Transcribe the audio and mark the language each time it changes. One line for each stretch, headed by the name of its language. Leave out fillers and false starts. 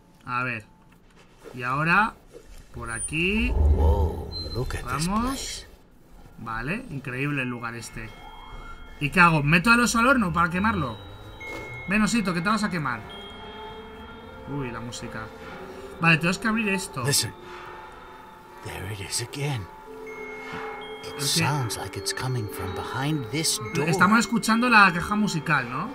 Spanish: A ver, y ahora por aquí. Vamos. Vale, increíble el lugar este. ¿Y qué hago? ¿Meto al oso al horno para quemarlo? Ven, osito, que te vas a quemar. Uy, la música. Vale, tenemos que abrir esto.
English: There it is again. It sounds like it's coming from behind this door.
Spanish: Estamos escuchando la caja musical, ¿no?